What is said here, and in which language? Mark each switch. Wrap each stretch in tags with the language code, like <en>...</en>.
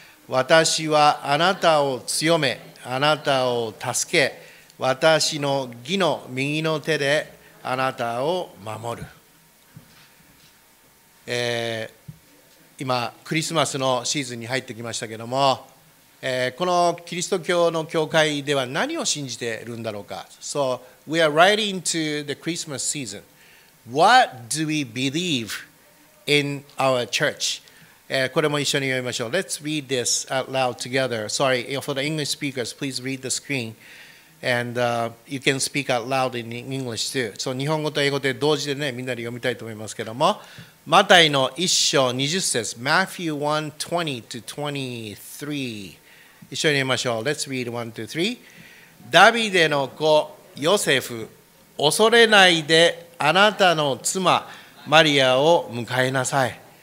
<ja>私はあなたを強め、あなたを助け、私の義の右の手であなたを守る。今クリスマスのシーズンに入ってきましたけども、このキリスト教の教会では何を信じているんだろうか。</ja> <en>So we are right into the Christmas season. What do we believe in our church?</en> <ja>これも一緒に読みましょう。</ja> <en>Let's read this out loud together. Sorry, for the English speakers, please read the screen. And you can speak out loud in English too.</en> <ja>So 日本語と英語で同時でね、みんなで読みたいと思いますけども、マタイの1章20節、 Matthew 1:20-23、一緒に言いましょう。</ja> <en>Let's read 1,2,3.</en> <ja>ダビデの子ヨセフ、恐れないで、あなたの妻マリアを迎えなさい。</ja>